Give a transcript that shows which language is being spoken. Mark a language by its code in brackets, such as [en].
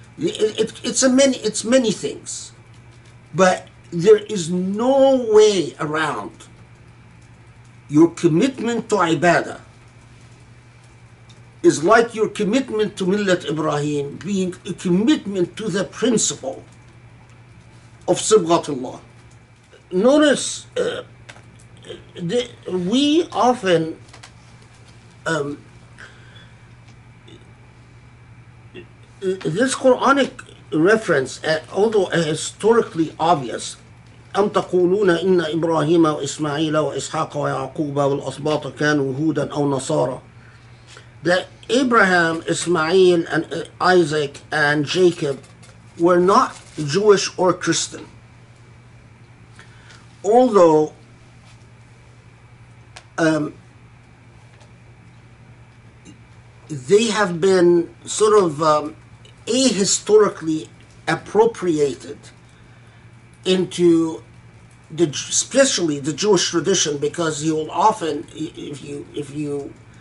[en] It's many things. But there is no way around your commitment to ibadah is like your commitment to Millat Ibrahim being a commitment to the principle of Sibghatullah. Notice we often this Quranic reference, although historically obvious, [ar] أَمْ تَقُولُونَ إِنَّ إِبْرَاهِيمَ وَإِسْمَعِيلَ وَإِسْحَاقَ وَيَعْقُوبَ وَالْأَصْبَاطَ كَانُوا هُودًا أَوْ نَصَارًا. [en] That Abraham, Ismail, and Isaac, and Jacob were not Jewish or Christian. Although, they have been sort of ahistorically appropriated into the, especially the Jewish tradition, because you'll often, if you